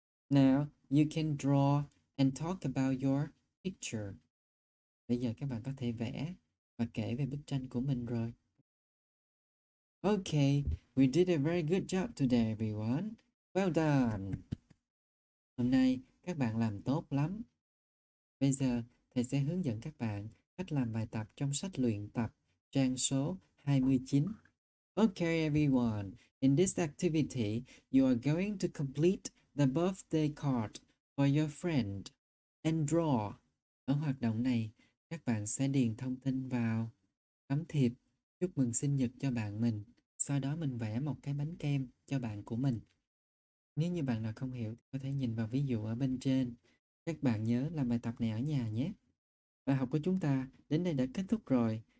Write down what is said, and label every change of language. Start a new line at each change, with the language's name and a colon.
English: Now, you can draw and talk about your picture.
Vietnamese: Bây giờ các bạn có thể vẽ và kể về bức tranh của mình rồi.
English: Okay, we did a very good job today, everyone. Well done.
Vietnamese: Hôm nay, các bạn làm tốt lắm. Bây giờ, thầy sẽ hướng dẫn các bạn cách làm bài tập trong sách luyện tập trang số 29.
English: Okay, everyone. In this activity, you are going to complete the birthday card for your friend and draw.
Vietnamese: Ở hoạt động này, các bạn sẽ điền thông tin vào tấm thiệp chúc mừng sinh nhật cho bạn mình. Sau đó mình vẽ một cái bánh kem cho bạn của mình. Nếu như bạn nào không hiểu, có thể nhìn vào ví dụ ở bên trên. Các bạn nhớ làm bài tập này ở nhà nhé. Bài học của chúng ta đến đây đã kết thúc rồi.